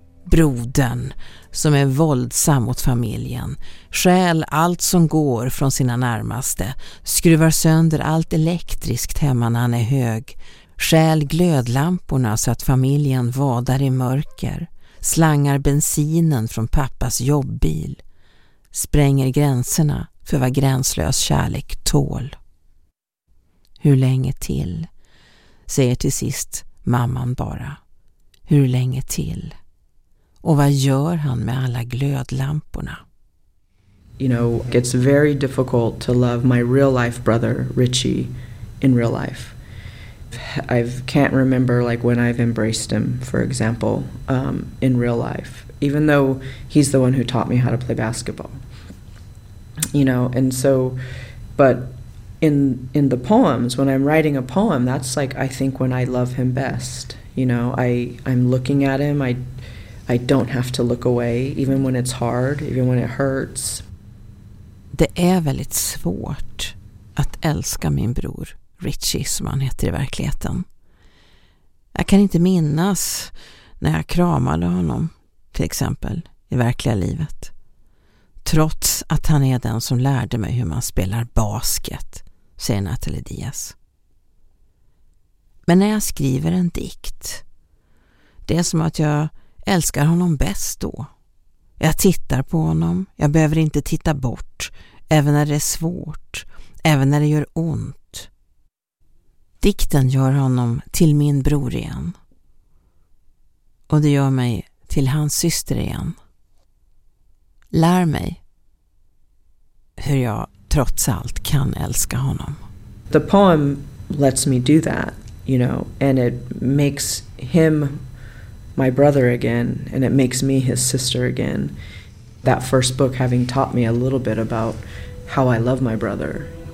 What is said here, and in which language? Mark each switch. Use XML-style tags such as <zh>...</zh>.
<sv>Brodern, som är våldsam mot familjen, stjäl allt som går från sina närmaste, skruvar sönder allt elektriskt hemma när han är hög, stjäl glödlamporna så att familjen vadar i mörker, slangar bensinen från pappas jobbbil, spränger gränserna för vad gränslös kärlek tål. Hur länge till? Säger till sist mamman bara. Hur länge till? Och vad gör han med alla glödlamporna?</sv> <en>You know, it's very difficult to love my real life brother Richie in real life. I can't remember like when I've embraced him, for example, in real life, even though he's the one who taught me how to play basketball, you know. And so, but in the poems, when I'm writing a poem, that's like, I think when I love him best, you know, I'm looking at him. I don't have to look away, even when it's hard, even when it hurts.</en> <sv>Det är väldigt svårt att älska min bror. Richie som han heter i verkligheten. Jag kan inte minnas när jag kramade honom till exempel i verkliga livet. Trots att han är den som lärde mig hur man spelar basket, säger Natalie Diaz. Men när jag skriver en dikt, det är som att jag älskar honom bäst då. Jag tittar på honom, jag behöver inte titta bort, även när det är svårt, även när det gör ont. Dikten gör honom till min bror igen. Och det gör mig till hans syster igen. Lär mig hur jag trots allt kan älska honom.</sv> <en>The poem lets me do that, you know, and it makes him my brother again, and it makes me his sister again. That first book having taught me a little bit about how I love my brother.</en>